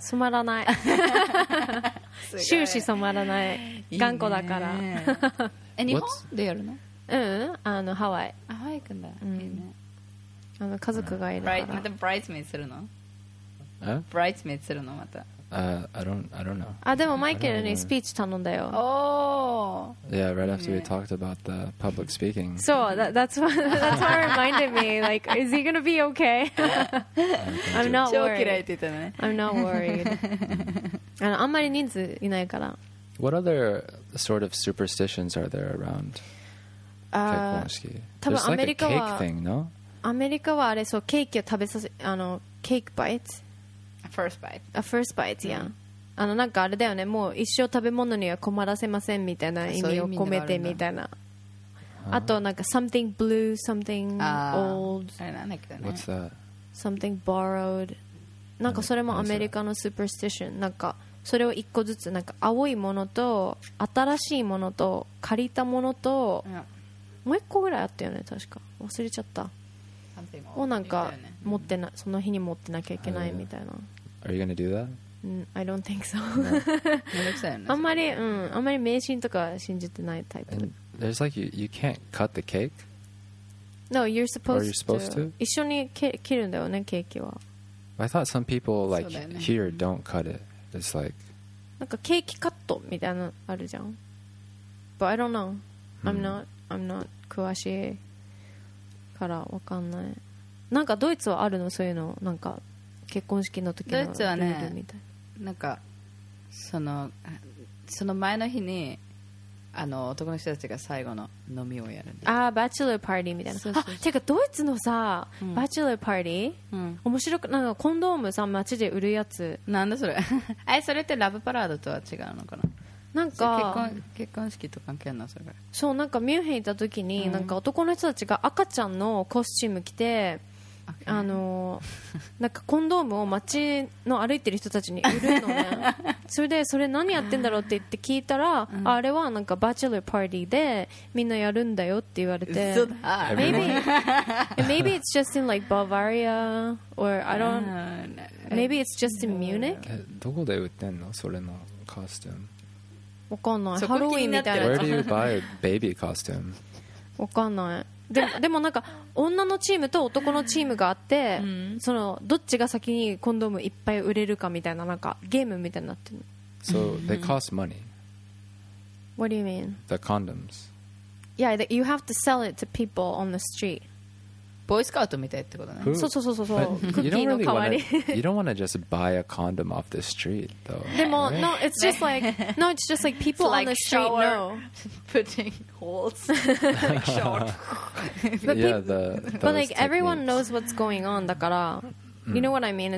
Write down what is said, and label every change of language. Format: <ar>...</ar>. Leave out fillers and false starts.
<ja>染まらない。終始染まらない。頑固だから。いいね、え、日本でやるの？うん、あのハワイ。ハワイ行くんだ。うん、いいね。あの家族がいるから。またブライツメイドするの？ブライツメイドするのまた。</ja> <en>I don't know.</en> <ja>あ、でもマイケルにスピーチ頼んだよ。おお。</ja> <en>Yeah, right after we talked about the public speaking. So that's what reminded me. Like, is he gonna be okay? I'm not worried.</en> <ja>超嫌いって言ったね。</ja> <en>I'm not worried.</en> <ja>あの、あんまり人数いないから。</ja> <en>What other sort of superstitions are there around 結婚式？</en> <ja>多分アメリカは。</ja> <en>There's like a cake thing, no?</en> <ja>アメリカはあれ、そう、ケーキを食べさせ、あの、ケーキバイト。</ja> <en>First bite. A first bite, yeah.</en> <ja>あのなんかあれだよね、もう一生食べ物には困らせませんみたいな意味を込めてみたいな。あとなんか</ja> <en>something blue, something old. What's that? Something borrowed.</en> <ja>なんかそれもアメリカの superstition. なんかそれを一個ずつ、なんか青いものと新しいものと借りたものと、もう一個ぐらいあったよね、確か。忘れちゃった。をなんか持ってな、その日に持ってなきゃいけないみたいな。</ja> <en>Are you gonna do that? I don't think so. No.</en> <ja>あんまり、うん、あんまり迷信とか信じてないタイプ。</ja> <en>And there's like you can't cut the cake. No, you're supposed, you're supposed to.</en> <ja>一緒に切るんだよね、ケーキは。</ja> <en>I thought some people like、ね、here don't cut it. It's like</en> <ja>なんかケーキカットみたいなあるじゃん。</ja> <en>But I don't know.、Hmm. I'm not</en> <ja>詳しいからわかんない。なんかドイツはあるの、そういうの、なんか。結婚式の時のドイツはね、なんかその前の日にあの男の人たちが最後の飲みをやるんで、あ、バチュラーパーティーみたいな。そうそうそう。あ、てかドイツのさ、うん、バチュラーパーティー、うん、面白く、なんかコンドームさ街で売るやつ、なんだそれ。え、それってラブパラードとは違うのかな。なんか結婚式と関係ないそれ。そう、なんかミュンヘン行った時に、うん、なんか男の人たちが赤ちゃんのコスチューム着て、あのなんかコンドームを街の歩いてる人たちに売るのね。それでそれ何やってんだろうって言って聞いたら、うん、あれはなんかバチェラーパーティーでみんなやるんだよって言われて。嘘だ。</ja> <en>maybe it's just in like Bavaria or I don't maybe it's just in Munich.</en> <ja>どこで売ってんのそれのコスチューム。わかんない、ハロウィンみたいな。</ja> <en>Where do you buy a baby costume?</en> <ja>わかんない。でもなんか女のチームと男のチームがあって、うん、そのどっちが先にコンドームいっぱい売れるかみたい な, なんかゲームみたいになってる。</ja> <en>So they cost money. What do you mean? The condoms. Yeah, that you have to sell it to people on the street.</en> <ja>ボーイスカウトみたいってことね。そうそうそうそう、クッキーの代わり。</ja> <en>You don't want to just buy a condom off the street though.</en> <ja>でも、</ja> <en>right? No, it's just like No, it's just like people so, on the like, street shower, know putting like short. Yeah, but like techniques. Everyone knows what's going on,</en> <ja>だから、</ja> <en>mm. you know what I mean?</en>